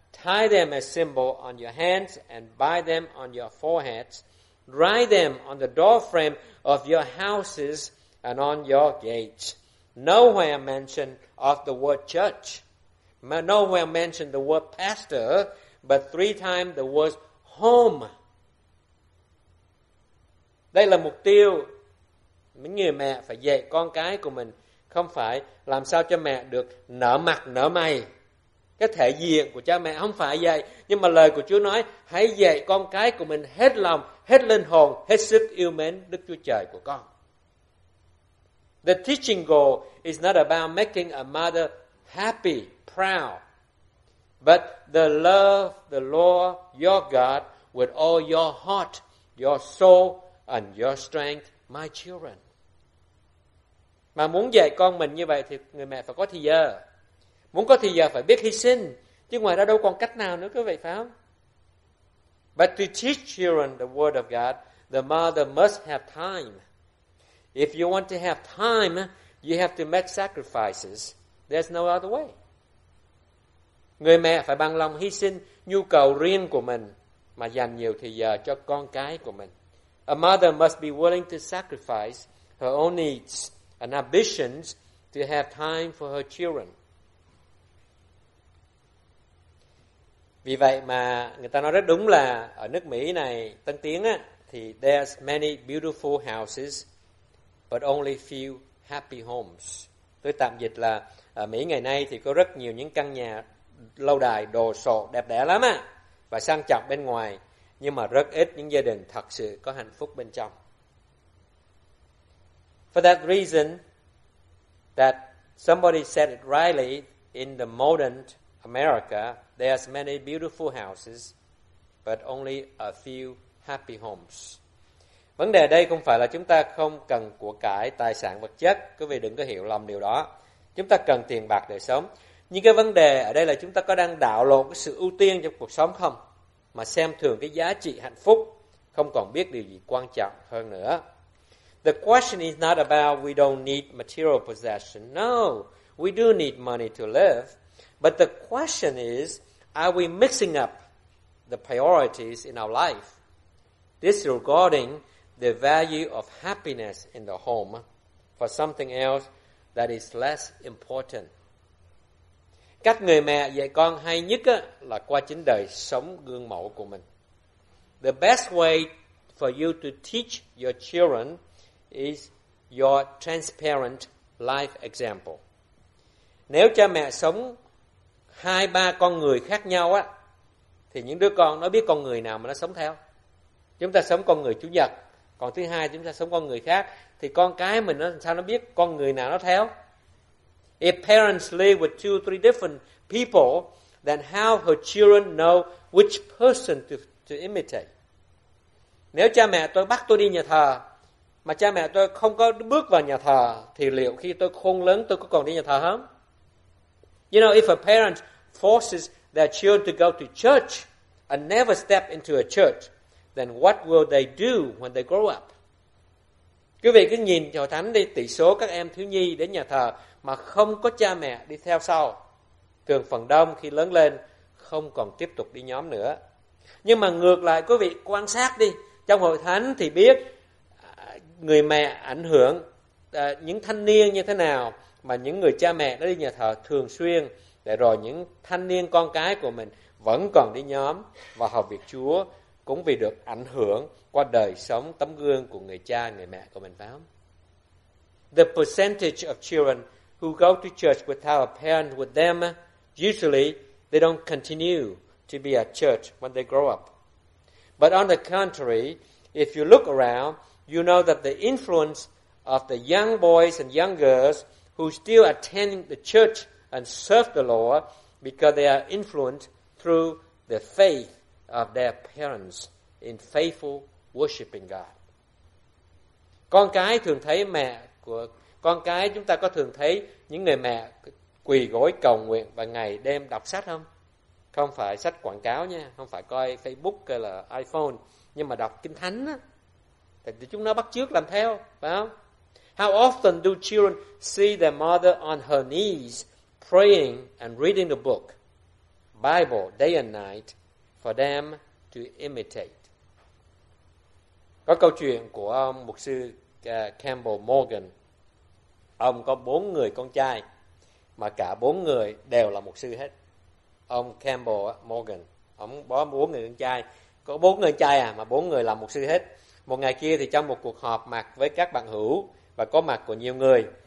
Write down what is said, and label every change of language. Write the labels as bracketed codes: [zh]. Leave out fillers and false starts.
[en] Tie them as symbol on your hands and bind them on your foreheads. Write them on the door frame of your houses and on your gates. Nowhere mention of the word church. Nowhere mention the word pastor, but 3 times the word home. [vi] Đây là mục tiêu những người mẹ phải dạy con cái của mình, không phải làm sao cho mẹ được nở mặt nở mày, cái thể diện của cha mẹ không phải vậy. Nhưng mà lời của Chúa nói hãy dạy con cái của mình hết lòng, hết linh hồn, hết sức yêu mến Đức Chúa Trời của con. [en] The teaching goal is not about making a mother happy, proud, but the love the Lord your God with all your heart, your soul, and your strength, my children. [vi] Mà muốn dạy con mình như vậy thì người mẹ phải có thì giờ. Muốn có thì giờ phải biết hy sinh. Chứ ngoài ra đâu còn cách nào nữa, quý vị phải không? [en] But to teach children the word of God, the mother must have time. If you want to have time, you have to make sacrifices. There's no other way. [vi] Người mẹ phải bằng lòng hy sinh nhu cầu riêng của mình mà dành nhiều thời giờ cho con cái của mình. [en] A mother must be willing to sacrifice her own needs and ambitions to have time for her children. [vi] Vì vậy mà người ta nói rất đúng là ở nước Mỹ này, tân tiến á, thì [en] there's many beautiful houses but only few happy homes. [vi] Tôi tạm dịch là ở Mỹ ngày nay thì có rất nhiều những căn nhà lâu đài đồ sộ đẹp đẽ lắm á, và sang trọng bên ngoài, nhưng mà rất ít những gia đình thật sự có hạnh phúc bên trong. [en] For that reason, that somebody said it rightly, in the modern America, there's many beautiful houses, but only a few happy homes. [vi] Vấn đề đây không phải là chúng ta không cần của cải, tài sản vật chất, quý vị đừng có hiểu lầm điều đó. Chúng ta cần tiền bạc để sống. Nhưng cái vấn đề ở đây là chúng ta có đang đảo lộn cái sự ưu tiên trong cuộc sống không? Mà xem thường cái giá trị hạnh phúc, không còn biết điều gì quan trọng hơn nữa. [en] The question is not about we don't need material possession. No, we do need money to live. But the question is, are we mixing up the priorities in our life, disregarding the value of happiness in the home for something else that is less important? [vi] Cách người mẹ dạy con hay nhất á, là qua chính đời sống gương mẫu của mình. [en] The best way for you to teach your children is your transparent life example. [vi] Nếu cha mẹ sống hai ba con người khác nhau á, thì những đứa con nó biết con người nào mà nó sống theo. Chúng ta sống con người Chủ Nhật, còn thứ hai chúng ta sống con người khác, thì con cái mình nó sao nó biết con người nào nó theo? [en] If parents live with two or three different people, then how her children know which person to imitate? [vi] Nếu cha mẹ tôi bắt tôi đi nhà thờ, mà cha mẹ tôi không có bước vào nhà thờ, thì liệu khi tôi khôn lớn tôi có còn đi nhà thờ không? [en] You know, if a parent forces their children to go to church and never step into a church, then what will they do when they grow up? [vi] Quý vị cứ nhìn hội thánh đi, tỷ số các em thiếu nhi đến nhà thờ mà không có cha mẹ đi theo sau, thường phần đông khi lớn lên không còn tiếp tục đi nhóm nữa. Nhưng mà ngược lại, quý vị quan sát đi, trong hội thánh thì biết người mẹ ảnh hưởng những thanh niên như thế nào, mà những người cha mẹ nó đi nhà thờ thường xuyên, để rồi những thanh niên con cái của mình vẫn còn đi nhóm và học việc Chúa, cũng vì được ảnh hưởng qua đời sống tấm gương của người cha người mẹ của mình, phải không? [en] The percentage of children who go to church without a parent with them, usually they don't continue to be at church when they grow up. But on the contrary, if you look around, you know that the influence of the young boys and young girls who still attend the church and serve the Lord because they are influenced through the faith of their parents in faithful worshiping God. [vi] Con cái thường thấy mẹ của con cái, chúng ta có thường thấy những người mẹ quỳ gối cầu nguyện và ngày đêm đọc sách không? Không phải sách quảng cáo nha, không phải coi Facebook hay là iPhone, nhưng mà đọc Kinh Thánh á, thì chúng nó bắt chước làm theo, phải không? [en] How often do children see their mother on her knees praying and reading the book, Bible, day and night for them to imitate? [vi] Có câu chuyện của ông mục sư Campbell Morgan. Ông có bốn người con trai, mà cả bốn người đều là mục sư hết. Ông Campbell Morgan, ông có bốn người con trai. Có bốn người con trai à, mà bốn người là mục sư hết. Một ngày kia thì trong một cuộc họp mặt với các bạn hữu và có mặt của nhiều người,